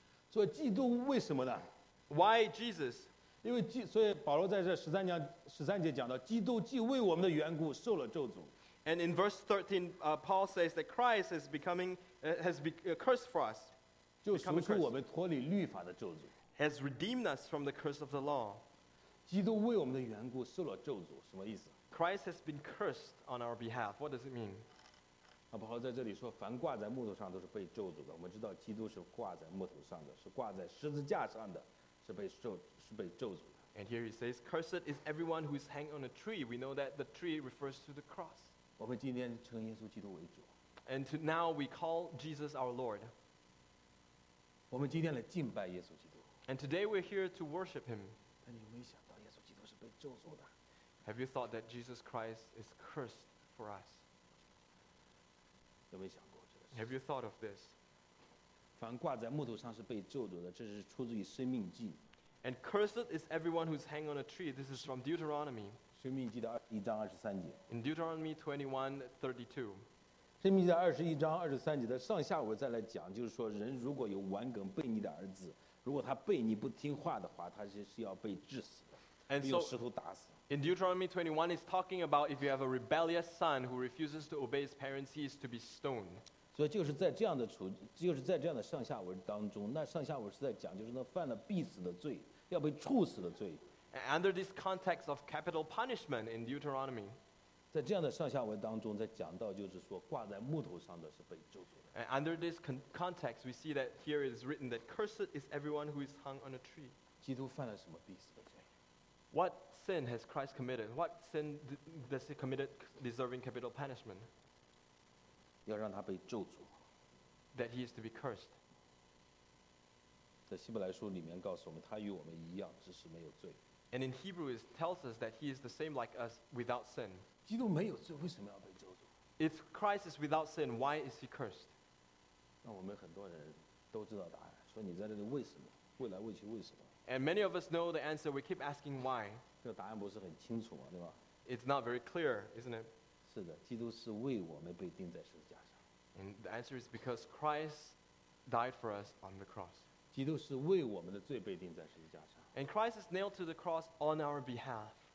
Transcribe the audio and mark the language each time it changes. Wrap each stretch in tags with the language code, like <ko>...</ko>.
<zh>所以基督为什么呢</zh> <en>？Why Jesus?</en> <zh>因为所以保罗在这十三节讲到，基督既为我们的缘故受了咒诅。</zh> <en>And in verse 13, Paul says that Christ is becoming, has become a curse for us.</en> <zh>就赎出我们脱离律法的咒诅。</zh> <en>Has redeemed us from the curse of the law.</en> <zh>基督为我们的缘故受了咒诅，什么意思</zh> <en>？Christ has been cursed on our behalf. What does it mean?</en> <zh>啊，保罗在这里说，凡挂在木头上都是被咒诅的。我们知道，基督是挂在木头上的，是挂在十字架上的，是被咒诅的。</zh> <en>And here he says, cursed is everyone who is hanged on a tree. We know that the tree refers to the cross.</en> <zh>我们今天称耶稣基督为主。</zh> <en>And now we call Jesus our Lord.</en> <zh>我们今天来敬拜耶稣基督。</zh> <en>And today we're here to worship him.</en> <zh>但你有没有想到耶稣基督是被咒诅的？</zh> <en>Have you thought that Jesus Christ is cursed for us?</en> <zh>有没有想过这个事？</zh> <en>Have you thought of this?</en> <zh>凡挂在木头上是被咒诅的，这是出自于生命记。</zh> <en>And cursed is everyone who's hanging on a tree. This is from Deuteronomy.</en> <zh>生命记的二十一章二十三节。</zh> <en>In Deuteronomy 21:32,</en> <zh>生命记的二十一章二十三节的上下文再来讲，就是说，人如果有顽梗悖逆的儿子，如果他悖逆不听话的话，他是要被治死的，被用石头打死。</zh> <en>In Deuteronomy 21, it's talking about if you have a rebellious son who refuses to obey his parents, he is to be stoned.</en> <zh>所以就是在这样的上下文当中，那上下文是在讲，就是那犯了必死的罪，要被处死的罪。</zh> <en>Under this context of capital punishment in Deuteronomy,</en> <zh>在这样的上下文当中，在讲到就是说挂在木头上的是被咒诅的。</zh> <en>And under this context, we see that here it is written that cursed is everyone who is hung on a tree.</en> <zh>基督犯了什么必死的罪</zh> <en>？What sin has Christ committed? What sin does he committed deserving capital punishment?</en> <zh>要让他被咒诅。</zh> <en>That he is to be cursed.</en> <zh>在希伯来书里面告诉我们，他与我们一样，只是没有罪。</zh> <en>And in Hebrew, it tells us that he is the same like us without sin.</en> <zh>基督没有罪，为什么要被咒诅？</zh> <en>If Christ is without sin, why is he cursed?</en> <zh>那我们很多人都知道答案，说你在这里为什么？未来未去为什么？</zh> <en>And many of us know the answer. We keep asking why.</en> <zh>这个答案不是很清楚吗？对吧？</zh> <en>It's not very clear, isn't it?</en> <zh>是的，基督是为我们被钉在十字架上。</zh> <en>And the answer is because Christ died for us on the cross.</en> <zh>基督是为我们的罪被钉在十字架上。</zh> <en>And Christ is nailed to the cross on our behalf.</en>